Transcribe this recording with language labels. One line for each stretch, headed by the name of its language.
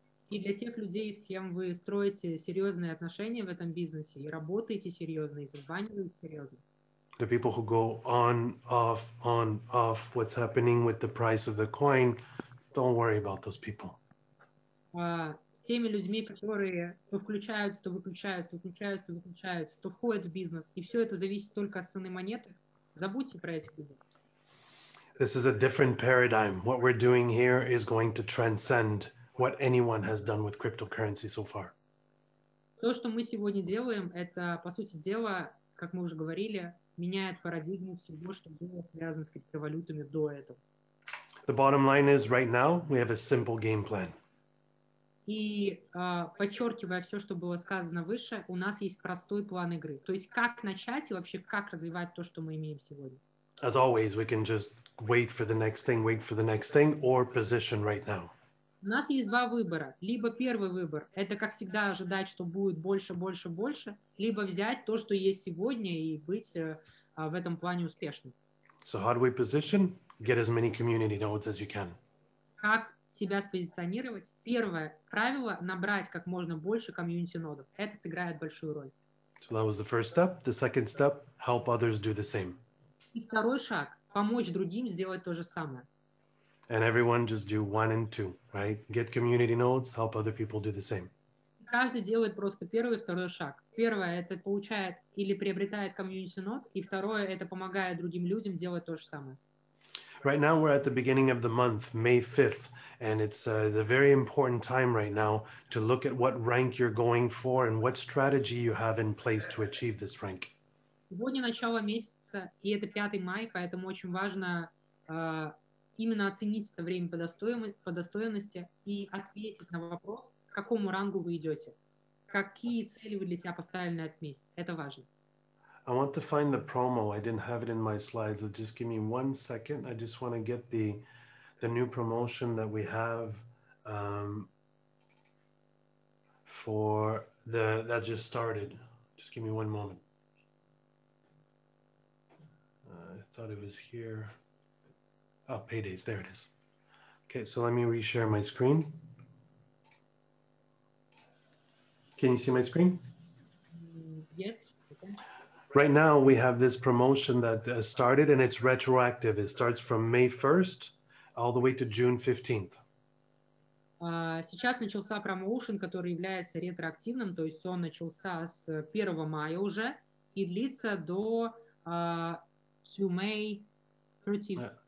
Russian: И для тех людей, с кем вы строите серьезные отношения в этом бизнесе и работаете серьезно, и созваниваете серьезно.
English: The people who go on, off, what's happening with the price of the coin, don't worry about those people.
Russian: С теми людьми, которые то включаются, то выключаются, то включаются, то выключаются, то входят в бизнес, и все это зависит только от цены монеты, забудьте про этих людей.
English: This is a different paradigm. What we're doing here is going to transcend what anyone has done with cryptocurrency so far.
Russian: То, что мы сегодня делаем, это, по сути дела, как мы уже говорили, меняет парадигму всего, что было связано с криптовалютами до этого.
English: The bottom line is, right now, we have a simple game plan.
Russian: И подчеркивая все, что было сказано выше, у нас есть простой план игры. То есть как начать и вообще как развивать то, что мы имеем сегодня.
English: As always, we can just wait for the next thing, or position right now.
Russian: У нас есть два выбора. Либо первый выбор – это, как всегда, ожидать, что будет больше, либо взять то, что есть сегодня, и быть в этом плане успешным.
English: So how do we position? Get as many community nodes as you can.
Russian: Как себя спозиционировать? Первое правило – набрать как можно больше community нодов. Это сыграет большую роль.
English: So that was the first step. The second step – help others do the same.
Russian: И второй шаг – помочь другим сделать то же самое.
English: And everyone just do one and two, right? Get community nodes, help other people do the same.
Russian: Каждый делает просто первый и второй шаг. Первое — это получает или приобретает community node, и второе — это помогает другим людям делать то же самое.
English: Right now we're at the beginning of the month, May 5th, and it's the very important time right now to look at what rank you're going for and what strategy you have in place to achieve this rank.
Russian: Сегодня начало месяца, и это 5 мая, поэтому очень важно именно оценить это время по достоинству и ответить на вопрос, к какому рангу вы идете. Какие цели вы для себя поставили на этот месяц? Это важно.
English: I want to find the promo. I didn't have it in my slides. So just give me one second. I just want to get the new promotion that we have for the that just started. Just give me one moment. I thought it was here. Oh, paydays, there it is. Okay, so let me reshare my screen. Can you see my screen? Yes. Okay. Right now we have this promotion that started and it's retroactive. It starts from May 1st all the way to June 15th.
Russian: Сейчас начался промоушен, который является ретроактивным, то есть он начался с 1 мая уже и длится до
English: to May 30th.